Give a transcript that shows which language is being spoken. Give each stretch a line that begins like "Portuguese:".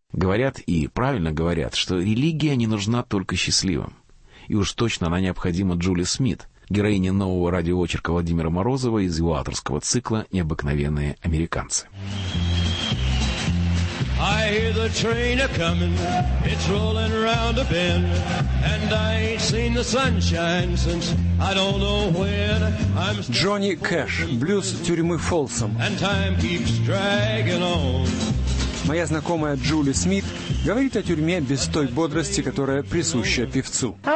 Russian: Говорят, и правильно говорят, что религия не нужна только счастливым. И уж точно она необходима Джули Смит, героине нового радиоочерка Владимира Морозова из его авторского цикла «Необыкновенные американцы».
English: I hear the train a-comin', it's rollin' round a bend, and I ain't seen the sunshine since I don't know when. I'm
Russian: Johnny Cash, блюз тюрьмы Фолсом.
English: And time keeps dragging on.
Russian: Моя знакомая Джули Смит говорит о тюрьме без той бодрости, которая присуща певцу.